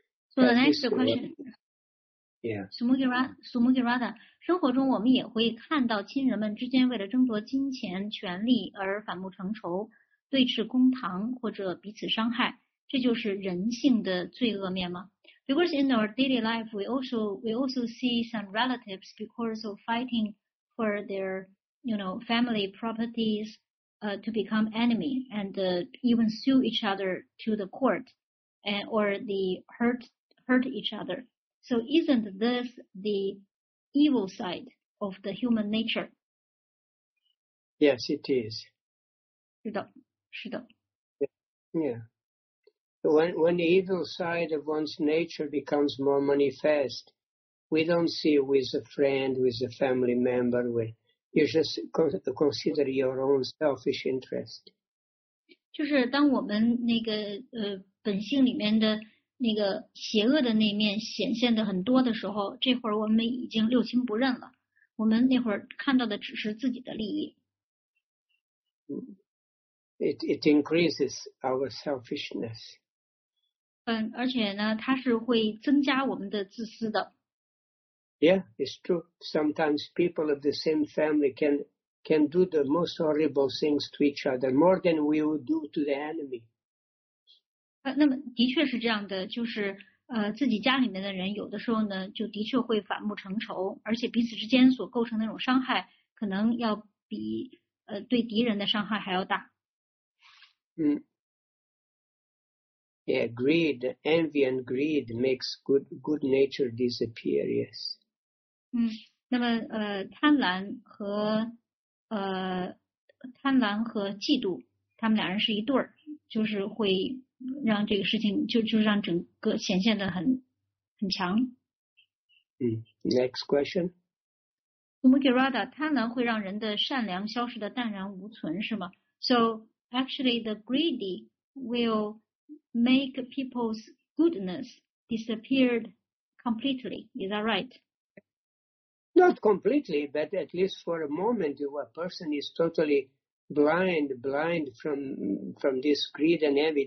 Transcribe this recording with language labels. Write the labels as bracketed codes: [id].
[en] So the next question. [zh] Sumugirada, 生活中我们也会看到亲人们之间为了争夺金钱权力而反目成仇，对峙公堂或者彼此伤害，这就是人性的罪恶面吗？ [en] Because in our daily life, we also see some relatives because of fighting for their, you know, family properties, to become enemy and even sue each other to the court, and or the hurt each other. So isn't this the evil side of the human nature? Yes, it is. [zh] 是的，是的。 [en] Yeah. When the evil side of one's nature becomes more manifest, we don't see it with a friend, with a family member, with you just consider your own selfish interest. [zh] 就是当我们那个本性里面的那个邪恶的那面显现的很多的时候，这会儿我们已经六亲不认了，我们那会儿看到的只是自己的利益。 [en] It increases our selfishness. [zh] 嗯，而且呢，它是会增加我们的自私的。 [en] Yeah, it's true. Sometimes people of the same family can do the most horrible things to each other, more than we would do to the enemy. [zh] 那么的确是这样的，就是自己家里面的人有的时候呢，就的确会反目成仇，而且彼此之间所构成的那种伤害，可能要比对敌人的伤害还要大。 Mm. [en] Yeah, greed, envy and greed makes good nature disappear, yes. [zh] 嗯，那么贪婪和嫉妒，他们俩人是一对儿，就是会让这个事情就让整个显现得很强。 [en] 嗯， next question. [zh] 我们给 Rada， 贪婪会让人的善良消失得淡然无存，是吗？ [en] So actually the greedy will make people's goodness disappear completely. Is that right? Not completely, but at least for a moment, a person is totally blind from this greed and envy.